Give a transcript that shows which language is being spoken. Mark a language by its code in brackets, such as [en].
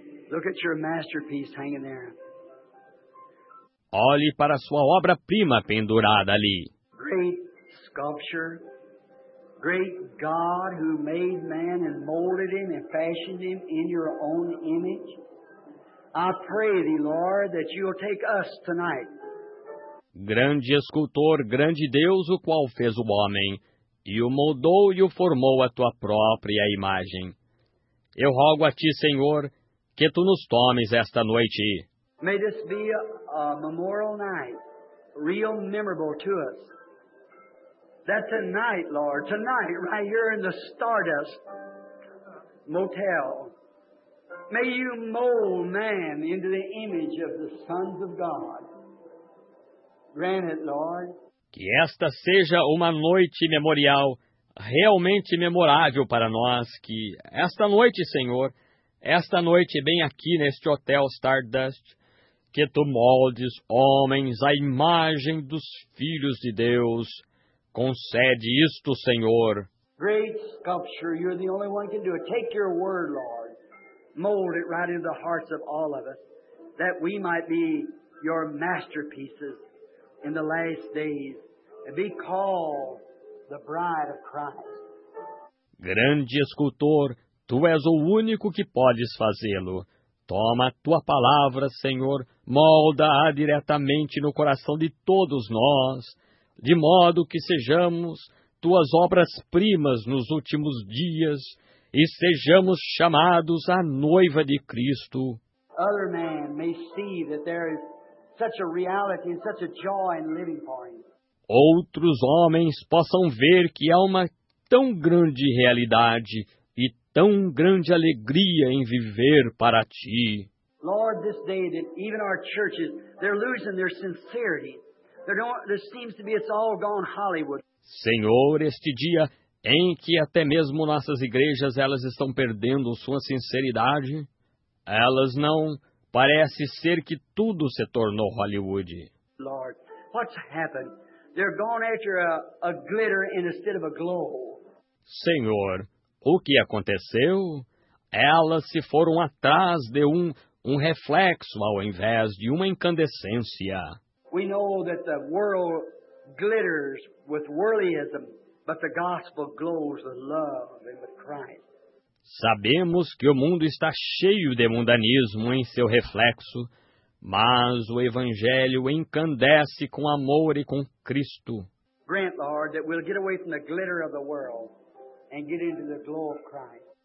[en] Look at your masterpiece hanging there. [pt] Olhe para sua obra-prima pendurada ali. [en] Great sculpture. Great God who made man and molded him and fashioned him in your own image. I pray thee, Lord, that you'll take us tonight. [pt] Grande escultor, grande Deus, o qual fez o homem, e o moldou e o formou a tua própria imagem. Eu rogo a ti, Senhor, que tu nos tomes esta noite. [en] May this be a memorial night, real memorable to us. That tonight, Lord, tonight, right here in the Stardust Motel, may you mold man into the image of the sons of God. Grant it, Lord. [pt] Que esta seja uma noite memorial, realmente memorável para nós, que esta noite, Senhor, esta noite bem aqui neste Hotel Stardust, que tu moldes homens à imagem dos filhos de Deus. Concede isto, Senhor. [en] Great sculpture, you're the only one can do it. Take your word, Lord. Mold it right into the hearts of all of us, that we might be your masterpieces in the last days and be called the bride of Christ. [pt] Grande escultor, tu és o único que podes fazê-lo. Toma a tua palavra, Senhor, molda-a diretamente no coração de todos nós, de modo que sejamos tuas obras-primas nos últimos dias, e sejamos chamados a noiva de Cristo. [en] Other men may see that there is such a reality and such a joy in living for him. [pt] Outros homens possam ver que há uma tão grande realidade e tão grande alegria em viver para ti. [en] Lord, this day that even our churches, they're losing their sincerity. There seems to be it's all gone Hollywood. [pt] Senhor, este dia em que até mesmo nossas igrejas elas estão perdendo sua sinceridade, elas não parece ser que tudo se tornou Hollywood. [en] Lord, what's happened? They're gone after a glitter instead of a glow. [pt] Senhor, o que aconteceu? Elas se foram atrás de um reflexo ao invés de uma incandescência. [en] We know that the world glitters with worldliness, but the gospel glows with love and with Christ. [pt] Sabemos que o mundo está cheio de mundanismo em seu reflexo, mas o Evangelho encandece com amor e com Cristo. [en] Grant, Lord, that we'll get away from the glitter of the world and get into the glow of Christ.